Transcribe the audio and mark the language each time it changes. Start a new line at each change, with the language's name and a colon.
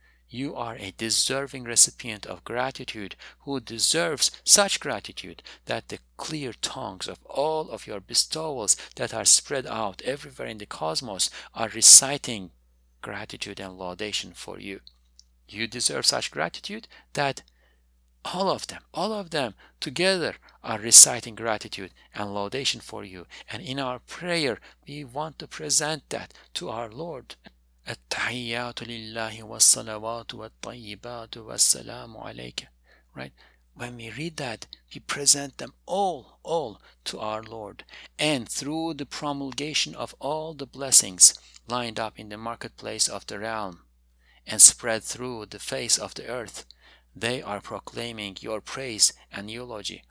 English: You are a deserving recipient of gratitude who deserves such gratitude that the clear tongues of all of your bestowals that are spread out everywhere in the cosmos are reciting gratitude and laudation for you. You deserve such gratitude that all of them together are reciting gratitude and laudation for you. And in our prayer, we want to present that to our Lord.
Arabic: التحيات لله والصلوات والطيبات والسلام عليك.
English: Right? When we read that, we present them all to our Lord. And through the promulgation of all the blessings lined up in the marketplace of the realm and spread through the face of the earth, they are proclaiming your praise and eulogy.